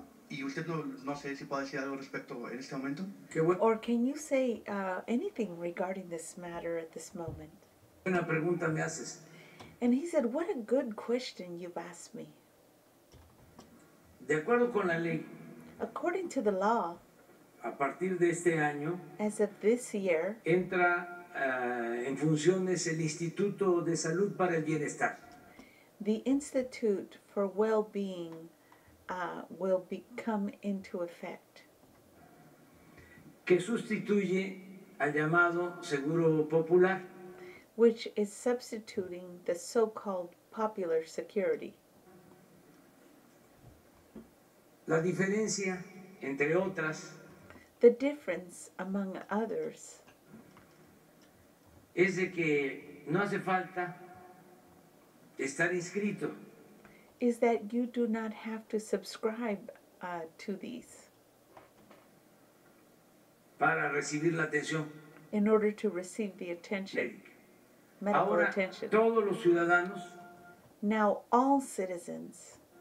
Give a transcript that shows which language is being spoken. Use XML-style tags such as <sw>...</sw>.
<es>¿Y usted no sé si puede decir algo respecto en este momento?</es> <en>Or can you say anything regarding this matter at this moment?</en> <es>Una pregunta me haces.</es> <en>And he said, what a good question you've asked me.</en> <es>De acuerdo con la ley,</es> <en>according to the law,</en> <es>a partir de este año,</es> <en>as of this year,</en> <es>entra en funciones el Instituto de Salud para el Bienestar.</es> <en>The Institute for Well-Being will become into effect.</en> <es>Que sustituye al llamado Seguro Popular.</es> <en>Which is substituting the so-called popular security.</en> <es>La diferencia, entre otras,</es> <en>the difference among others,</en> <es>es de que no hace falta estar inscrito.</es> <en>Is that you do not have to subscribe to these</en> <es>para recibir la atención.</es> <en>In order to receive the attention. Medical</en> <es>ahora,</es> <en>attention.</en> <es>Todos los ciudadanos,</es> <en>now all citizens,</en>